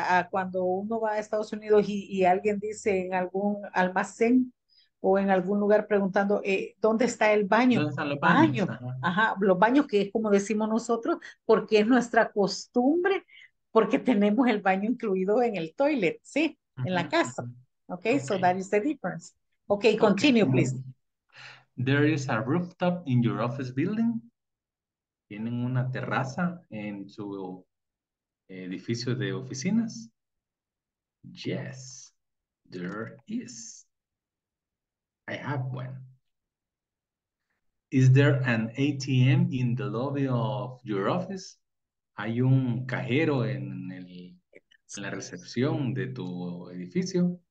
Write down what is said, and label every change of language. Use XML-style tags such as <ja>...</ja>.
<es>Cuando uno va a Estados Unidos y alguien dice en algún almacén o en algún lugar preguntando, ¿dónde está el baño? ¿Dónde están los baños? Los baños, que es como decimos nosotros, porque es nuestra costumbre. Porque tenemos el baño incluido en el toilet, ¿sí? En la casa.</es> <en>Okay, so that is the difference. Okay, continue, please. There is a rooftop in your office building.</en> <es>¿Tienen una terraza en su edificio de oficinas?</es> <en>Yes, there is. I have one. Is there an ATM in the lobby of your office?</en> <es>¿Hay un cajero en la recepción de tu edificio?</es>